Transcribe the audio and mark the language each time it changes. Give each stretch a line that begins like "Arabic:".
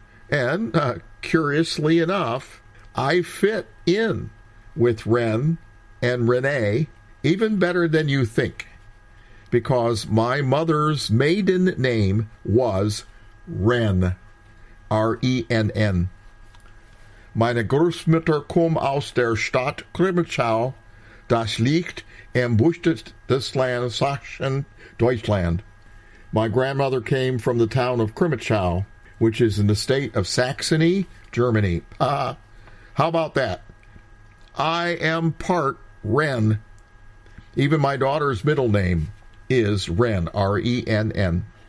English: And curiously enough, I fit in with Ren and Renee even better than you think, because my mother's maiden name was Ren, R-E-N-N.
German: Meine Großmutter kommt aus der Stadt Krimmelschau, das liegt im Bundesland Sachsen-Deutschland.
English: My grandmother came from the town of Krimmelschau, which is in the state of Saxony, Germany. How about that? I am part Ren. Even my daughter's middle name is Ren, R-E-N-N.